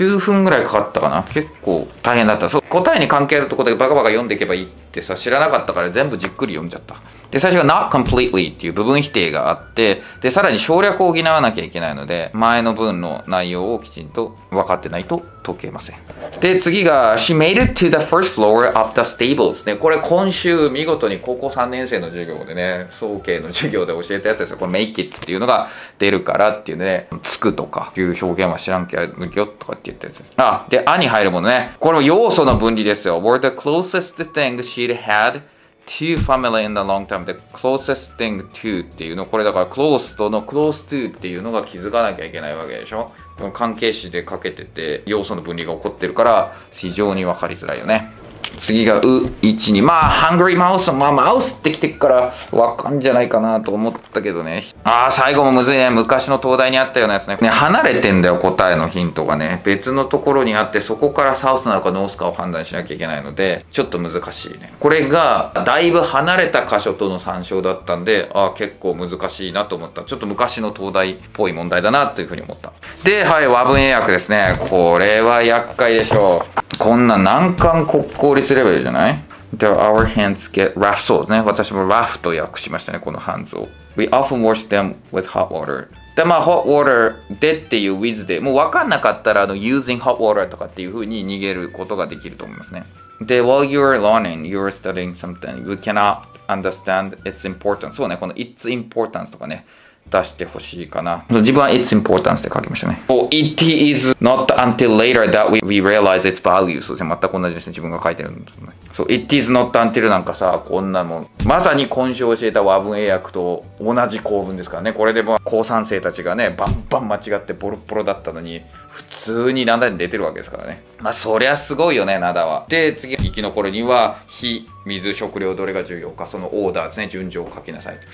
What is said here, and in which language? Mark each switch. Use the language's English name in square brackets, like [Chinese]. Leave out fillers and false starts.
[Japanese] 9分ぐらいかかったかな。結構大変だった。そう、答えに関係あるところでバカバカ読んでいけばいいってさ、知らなかったから全部じっくり読んじゃった。で、最初が not completely っていう部分否定があって、で、さらに省略を補わなきゃいけないので、前の文の内容をきちんと分かってないと解けません。で、次が [English] she made it to the first floor of the stables ね。 [Japanese] これ今週見事に高校3年生の授業でね、総計の授業で教えたやつですよ。これ make it っていうのが出るからっていうね、つくとかいう表現は知らんけどよとかって言ったやつです。あ、で、あに入るものね。これも要素の分離ですよ。 [English] were the closest thing she'd had? To family in the long term, the closest thing to [Japanese] っていうの、これだから close との close to っていうのが気づかなきゃいけないわけでしょ。関係詞でかけてて要素の分離が起こってるから非常に分かりづらいよね。次がう1に、まあ hungry mouse、 まあマウスってきてるから分かんじゃないかなと思ったけどね。あー、最後もむずいね。昔の東大にあったようなやつ ね離れてんだよ。答えのヒントがね、別のところにあって、そこからサウスなのかノースかを判断しなきゃいけないのでちょっと難しいね。これがだいぶ離れた箇所との参照だったんで、あー結構難しいなと思った。ちょっと昔の東大っぽい問題だなというふうに思った。で、はい、和文英訳ですね。これは厄介でしょう。こんな難関国公立レベルじゃない ? [English] The our hands get rough. [Japanese] そうですね。私も rough と訳しましたね、このハンズを。 [English] We often wash them with hot water. [Japanese] で、まあ、hot water でっていう with で、もう分かんなかったら、using hot water とかっていう風に逃げることができると思いますね。 [English] で、while you're learning, you're studying something, you cannot understand its importance. [Japanese] そうね、この its importance とかね。出してほしいかな。自分は It's importance って書きましたね。 [English] Oh, it is not until later that we realize its value. [Japanese] そうですね。全く同じですね。自分が書いてるのと。 [English] So, it is not until [Japanese] なんかさ、こんなもん。まさに今週教えた和文英訳と同じ構文ですからね。これでも、高3生たちがね、バンバン間違ってボロボロだったのに、普通に灘に出てるわけですからね。まあ、そりゃすごいよね、灘は。で、次、生き残るには、火、水、食料、どれが重要か。そのオーダーですね。順序を書きなさい。